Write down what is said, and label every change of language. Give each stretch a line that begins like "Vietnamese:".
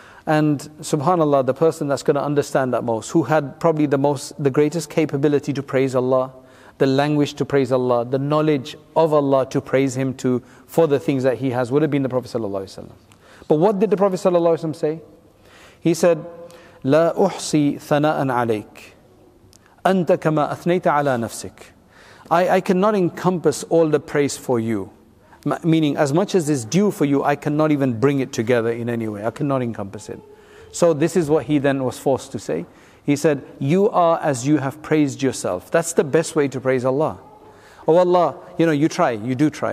English: And subhanAllah, the person that's going to understand that most, who had probably the greatest capability to praise Allah, the language to praise Allah, the knowledge of Allah to praise Him for the things that he has, would have been the Prophet sallallahu alaihi wasallam. But what did the Prophet ﷺ say? He said,
Arabic: لا أحصي ثناء عليك أنت كما أثنيت على نفسك.
English: I cannot encompass all the praise for you. Meaning, as much as is due for you, I cannot even bring it together in any way. I cannot encompass it. So this is what he then was forced to say. He said, you are as you have praised yourself. That's the best way to praise Allah. Oh Allah, you know, you do try.